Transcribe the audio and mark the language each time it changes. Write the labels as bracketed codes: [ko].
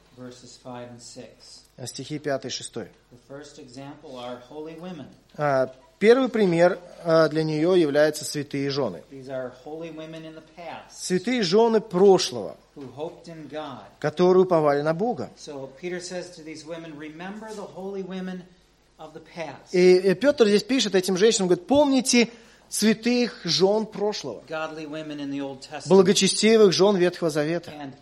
[en] Verses 5 and 6. [ru] Стихи 5 и 6. [en] The first example are holy women. [ru] Первый пример для нее являются святые жены. [en] These are holy women in the past, [ru] святые жены прошлого, [en] who hoped in God. [ru] Которые уповали на Бога. [en] So Peter says to these women, remember the holy women. [ru] И Петр здесь пишет этим женщинам, говорит, помните святых жен прошлого, благочестивых жен Ветхого Завета.